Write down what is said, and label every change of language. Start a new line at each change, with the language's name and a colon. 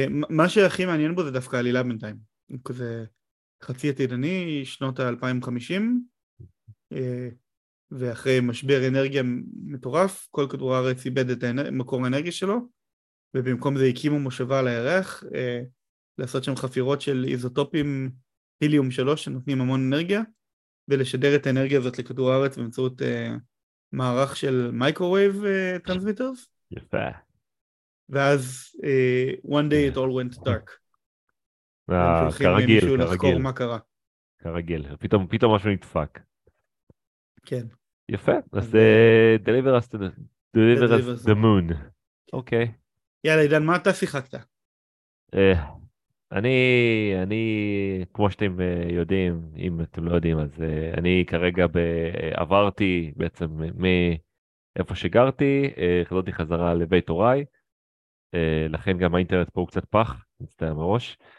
Hebrew: מה שהכי מעניין בו זה דווקא עלילה בינתיים. כזה חצי עתידני, שנות ה-2050, ואחרי משבר אנרגיה מטורף, כל כדור הארץ איבד את מקור האנרגיה שלו, ובמקום זה הקימו מושבה על הירח, לעשות שם חפירות של איזוטופים היליום 3 שנותנים המון אנרגיה, ולשדר את האנרגיה הזאת לכדור הארץ באמצעות מערך של מייקרווייב טרנסמיטרס. יפה.
English: ואז, one day it all went dark.
Hebrew: כרגיל, כרגיל. פתאום משהו נדפק. כן. יפה, אז זה Deliver Us the Moon. אוקיי. יאללה, עידן, מה אתה שיחקת? אני, כמו שאתם יודעים, אם אתם לא יודעים, אז אני כרגע עברתי בעצם מאיפה שגרתי, חזרתי חזרה לבית הוריי, לכן גם האינטרנט פה הוא קצת פח, מצטער מראש.